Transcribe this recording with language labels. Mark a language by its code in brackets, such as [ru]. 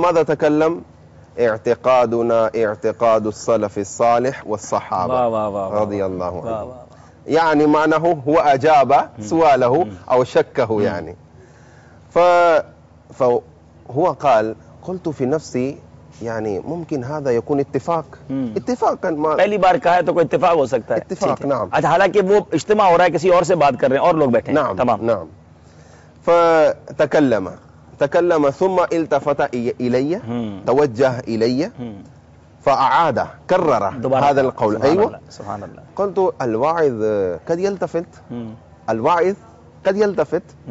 [ar] ماذا تكلم؟ اعتقادنا اعتقاد السلف الصالح والصحابة با با با رضي الله عنه. يعني معناه هو أجاب سؤاله أو شكه يعني. فهو قال، قلت في نفسي يعني ممكن هذا يكون اتفاق، اتفاقا ما [ur] پہلی بار کہا ہے تو کوئی اتفاق ہو سکتا ہے، [ar] اتفاق نعم. [ur] اچھا، حالانکہ وہ اجتماع ہو رہا ہے، کسی اور سے بات کر رہے ہیں، اور لوگ بیٹھے ہیں. [ar] نعم تمام نعم. فتكلم تكلم ثم التفت الي توجه الي فاعاد كرر هذا القول. ايوه سبحان الله. قلت الواعظ قد يلتفت، الواعظ قد يلتفت.